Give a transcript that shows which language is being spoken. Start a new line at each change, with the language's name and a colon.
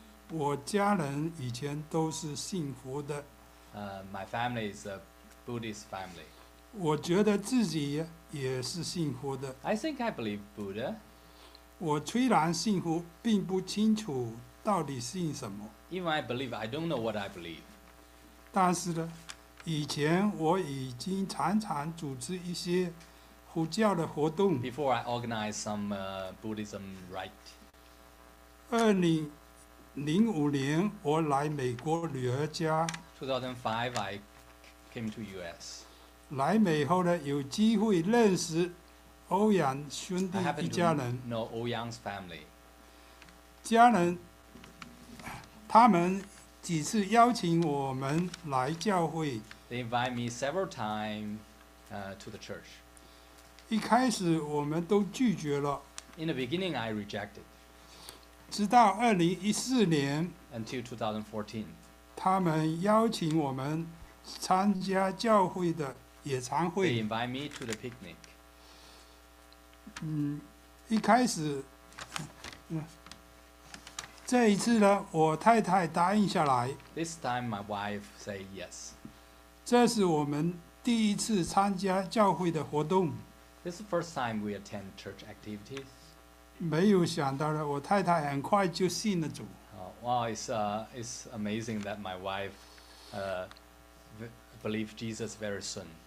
Chinese: 我家人以前都是信佛的。
English: My family is a Buddhist family.
Chinese: 我觉得自己也是信佛的。
English: I think I believe Buddha.
Chinese: 我虽然信佛，并不清楚到底信什么。
English: Even I believe, I don't know what I believe.
Chinese: 但是呢。以前我已经常常组织一些佛教的活动。
English: Before I organized some Buddhism rite.
Chinese: 2005年我来美国女儿家。
English: 2005 I came to US.
Chinese: 来美后呢，有机会认识欧阳兄弟一家人。
English: I happen to know Ou Yang's family.
Chinese: 家人，他们几次邀请我们来教会。
English: They invite me several times to the church.
Chinese: 一开始我们都拒绝了。
English: In the beginning, I rejected.
Chinese: 直到2014年。
English: Until 2014.
Chinese: 他们邀请我们参加教会的野餐会。
English: They invite me to the picnic.
Chinese: 一开始，这一次呢，我太太答应下来。
English: This time, my wife said yes.
Chinese: 这是我们第一次参加教会的活动。
English: This is the first time we attend church activities.
Chinese: 没有想到的，我太太很快就信了主。
English: Wow, it's amazing that my wife believed Jesus very soon.